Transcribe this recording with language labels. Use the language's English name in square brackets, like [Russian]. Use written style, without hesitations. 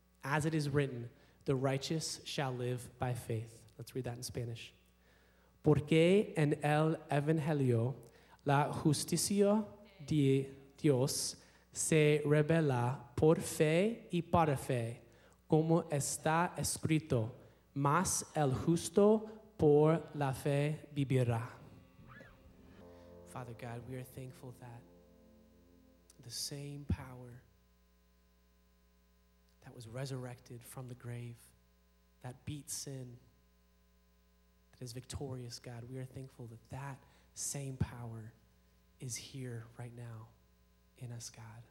[English] As it is written, the righteous shall live by faith. Let's read that in Spanish. [Spanish] Porque en el Evangelio, la justicia de Dios se revela por fe y para fe, como está escrito, mas el justo por la fe vivirá. [English] Father God, we are thankful that the same power that was resurrected from the grave, that beat sin, that is victorious, God, we are thankful that that same power is here right now in us, God.